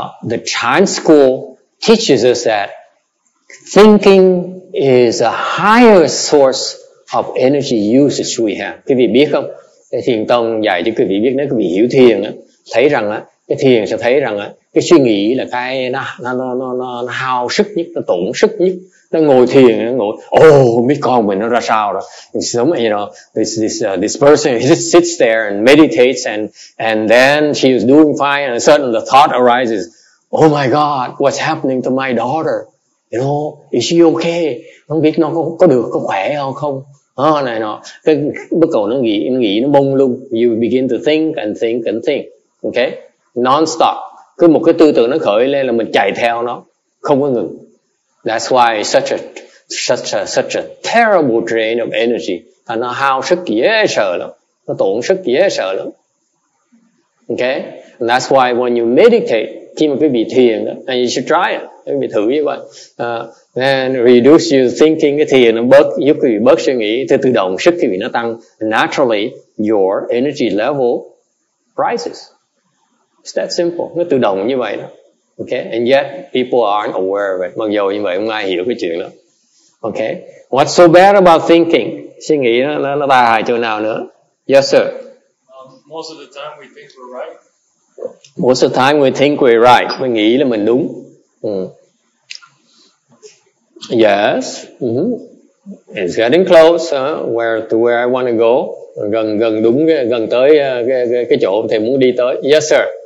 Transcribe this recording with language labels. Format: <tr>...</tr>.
<en>The Chan school teaches us that thinking is a higher source of energy usage we have.</en> <vi>Quý vị biết không? Cái thiền tông dạy cho quý vị biết, nếu quý vị hiểu thiền á, thấy rằng á, cái thiền sẽ thấy rằng á, cái suy nghĩ là cái nó hao sức nhất, nó tổn sức nhất. Nó ngồi thiền, nó ngồi, biết con mình nó ra sao rồi.</vi> <en>It's</en> <vi>giống như,</vi> <en>this person, he just sits there and meditates and then she is doing fine and suddenly the thought arises, oh my God, what's happening to my daughter? You know, is she okay?</en> <vi>Không biết nó có được, có khỏe không? Này nọ. Cái bắt đầu nó nghĩ, nó mông lung.</vi> <en>You begin to think and think and think. Okay? Non-stop.</en> <vi>Cứ một cái tư tưởng nó khởi lên là mình chạy theo nó. Không có ngừng.</vi> <en>That's why such a terrible drain of energy.</en> <vi>Thành nó hao sức dễ sợ lắm. Nó tổn sức dễ sợ lắm. Okay?</vi> <en>And that's why when you meditate,</en> <vi>khi mà quý vị thiền đó,</vi> <en>and you should try it.</en> <vi>Quý vị thử như vậy.</vi> <en>Then reduce your thinking,</en> <vi>cái thiền nó bớt, giúp quý vị bớt suy nghĩ, thì tự động sức quý vị nó tăng.</vi> <en>Naturally, your energy level rises. It's that simple.</en> <vi>Nó tự động như vậy đó.</vi> <en>Okay? And yet, people aren't aware of it.</en> <vi>Mặc dù như vậy, không ai hiểu cái chuyện đó. Okay?</vi> <en>What's so bad about thinking?</en> <vi>Suy nghĩ nó tai hại chỗ nào nữa?</vi> <en>Yes, sir. Most of the time, we think we're right. Most of the time, we think we're right.</en> <vi>Mình nghĩ là mình đúng.</vi> <en>Yes. It's getting close to where I want to go.</en> <vi>Gần đúng, gần tới cái chỗ thầy muốn đi tới.</vi> <en>Yes, sir.</en>